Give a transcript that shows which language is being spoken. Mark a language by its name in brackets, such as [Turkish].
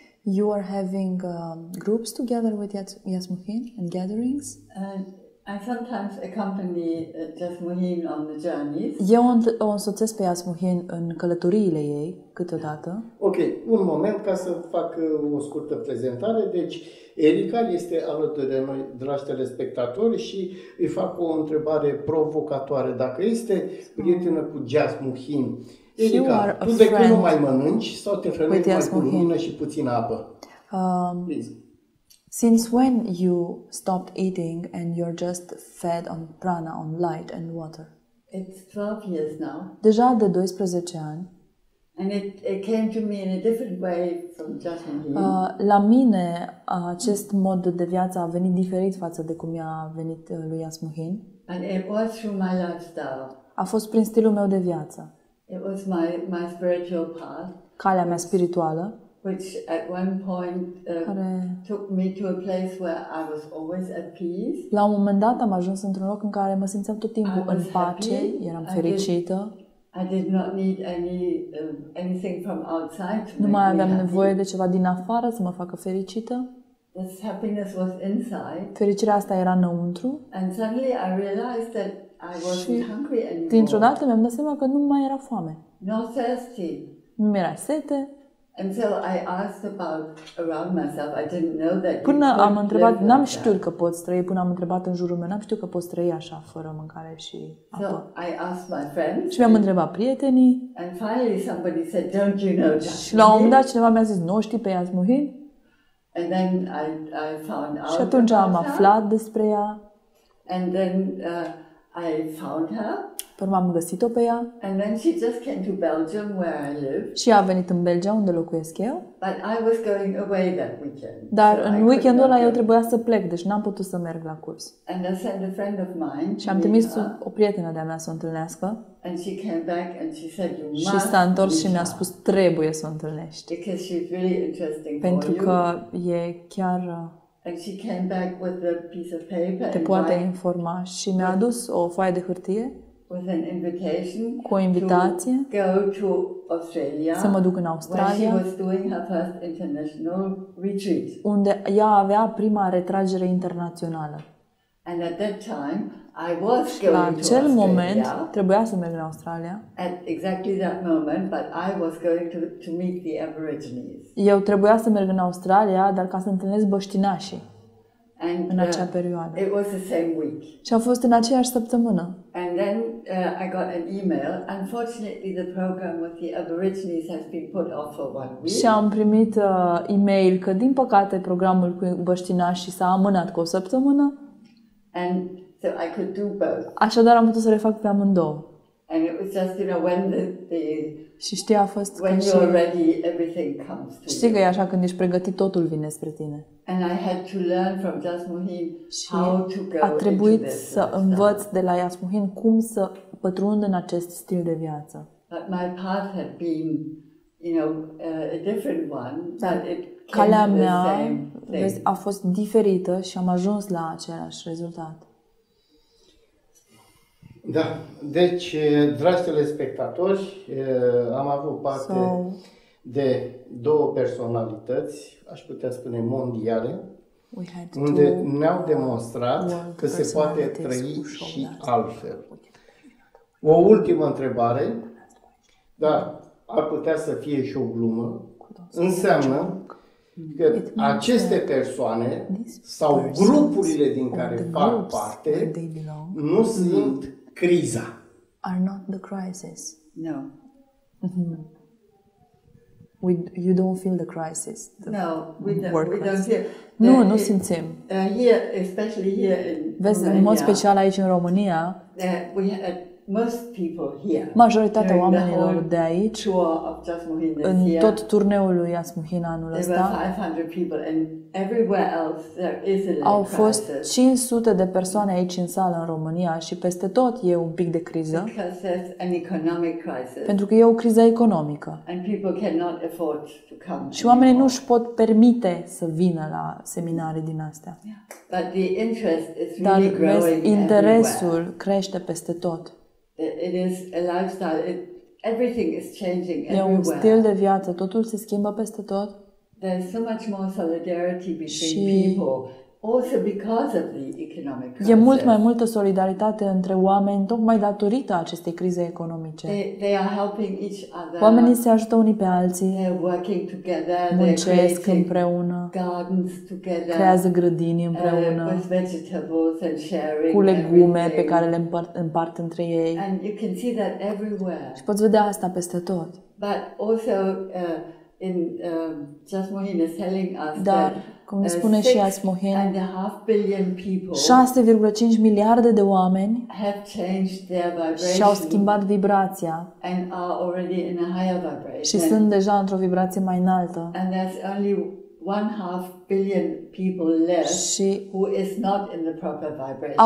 [English] You are having groups together with Yasmuhin and gatherings? I sometimes accompany Yasmuhin on the journeys. [Romanian] Eu o însoțesc pe Yasmuhin în călătoriile ei câteodată. Ok, un moment ca să fac o scurtă prezentare. Deci Erica este alături de noi, dragi telespectatori, și îi fac o întrebare provocatoare. Dacă este prietenă cu Yasmuhin, Erica, tu de când nu mai mănânci sau te hrănești mai cu lumină și puțină apă? [English] Since when you stopped eating and you're just fed on prana, on light and water? It's 12 years now. [Romanian] Deja de 12 ani. [English] And it came to me in a different way from Jasmine. [Romanian] La mine acest mod de viață a venit diferit față de cum i-a venit lui Yasmuhin. [English] And it was through my lifestyle. [Romanian] A fost prin stilul meu de viață. [English] It was my spiritual path. [Romanian] Calea mea spirituală. [English] Which at one point took me to a place where I was always at peace. [Romanian] La un moment dat am ajuns într-un loc în care mă simțeam tot timpul în pace, eram fericită. [English] I did not need anything from outside. [Romanian] Nu mai aveam nevoie de ceva din afară să mă facă fericită. [English] This happiness was inside. [Romanian] Fericirea asta era înăuntru. [English] And suddenly I realized that I wasn't hungry anymore. [Romanian] Dintr-o dată mi-am dat seama că nu mai era foame. [English] Not thirsty. [Romanian] Nu mi-era sete. [English] And so I asked about around myself. I didn't know that. [Romanian] Până am întrebat, n-am știut că pot trăi, până am întrebat în jurul meu, n-am știut că pot trăi așa fără mâncare și apă. [English] So I asked my friends. [Romanian] Și mi-am întrebat prietenii. [English] And finally somebody said, "Don't you know Jasmine?" [Romanian] Și la un moment dat cineva mi-a zis, "Nu știi pe Yasmuhin?" [English] And then I found out. [Romanian] Și atunci am aflat despre ea. [English] And then I found her. [Romanian] Păr m-am găsit-o pe ea. [English] And then she just came to Belgium where I live. [Romanian] Și a venit în Belgia unde locuiesc eu. [English] But I was going away that weekend. [Romanian] Dar în weekendul ăla eu trebuia să plec, deci n-am putut să merg la curs. [English] And I sent a friend of mine. [Romanian] Și am trimis o prietenă de-a mea să o întâlnească. [English] And she came back and she said you must. [Romanian] Și s-a întors și mi-a spus trebuie să o întâlnești. [English] Because she's really interesting. [Romanian] Pentru că e chiar. [English] And she came back with a piece of paper. [Romanian] Te poate informa și mi-a adus o foaie de hârtie. [English] With an invitation, [Romanian] cu o invitație, [English] to go to Australia, [Romanian] să mă duc în Australia, [English] where she was doing her first international retreat, [Romanian] unde ea avea prima retragere internațională. [English] And at that time, I was going to Australia. [Romanian] La acel moment, trebuia să merg în Australia. [English] At exactly that moment, but I was going to meet the Aborigines. [Romanian] Eu trebuia să merg în Australia, dar ca să întâlnesc băștinașii. [English] And [Romanian] în acea perioadă. [English] It was the same week. [Romanian] Și a fost în aceeași săptămână. [English] And then I got an email. Unfortunately, the program with the Aborigines has been put off for 1 week. [Romanian] Și am primit email că din păcate programul cu băștinașii s-a amânat cu o săptămână. [English] And so I could do both. [Romanian] Așadar am putut să le fac pe amândouă. [English] And it was just, you know, when the [Romanian] și știi, a fost [English] when you're ready, everything comes to you. [Romanian] Știi că e așa, când ești pregătit, totul vine spre tine. [English] And I had to learn from Yasmuhin how to go. [Romanian] A trebuit să învăț de la Yasmuhin cum să pătrund în acest stil de viață. [English] But my path had been, you know, a different one, but it came. [Romanian] Calea mea a fost diferită și am ajuns la același rezultat. Da. Deci, dragi telespectatori, am avut parte de două personalități, aș putea spune mondiale, unde ne-au demonstrat că se poate trăi și altfel. O ultimă întrebare, dar ar putea să fie și o glumă, înseamnă că aceste persoane sau grupurile din care fac parte nu simt criza. [English] Are not the crisis. No. We, you don't feel the crisis. The no, we don't. We crisis. Don't feel. [Romanian] Nu, [English] no, [Romanian] nu simțim. [English] Here, especially here in. [Romanian] Vezi, în mod special aici în România. [English] We had most people here. [Romanian] Majoritatea oamenilor de aici. În tot turneul lui Jasmuhin anul ăsta. [English] There were 500 people and everywhere else there is a crisis. [Romanian] Au fost 500 de persoane aici în sală în România și peste tot e un pic de criză. [English] Because there's an economic crisis. [Romanian] Pentru că e o criză economică. [English] And people cannot afford to come. [Romanian] Și oamenii nu își pot permite să vină la seminare din astea. [English] Yeah. But the interest is really growing. [Romanian] Dar interesul [English] everywhere. [Romanian] Crește peste tot. [English] It is a lifestyle. It, everything is changing everywhere. [Romanian] E un stil de viață, totul se schimbă peste tot. [English] There's so much more solidarity between people, also because of the economic crisis. [Romanian] E mult mai multă solidaritate între oameni, tocmai datorită acestei crize economice. [English] They are helping each other. [Romanian] Oamenii se ajută unii pe alții. [English] They're working together. [Romanian] Muncesc împreună. [English] Gardens together. [Romanian] Creează grădini împreună. [English] With vegetables and sharing. [Romanian] Cu legume [English] everything. [Romanian] Pe care le împart între ei. [English] And you can see that everywhere. [Romanian] Și poți vedea asta peste tot. [English] But also in Jasmuhin is telling us [Romanian] dar, [English] that [Romanian] ne spune și Jasmuhin, 6,5 miliarde de oameni [English] have changed their vibration [Romanian] și au schimbat vibrația [English] and are already in a higher vibration. [Romanian] Și sunt deja într-o vibrație mai înaltă. [English] And there's only 1.5 billion people left who is not in the proper vibration.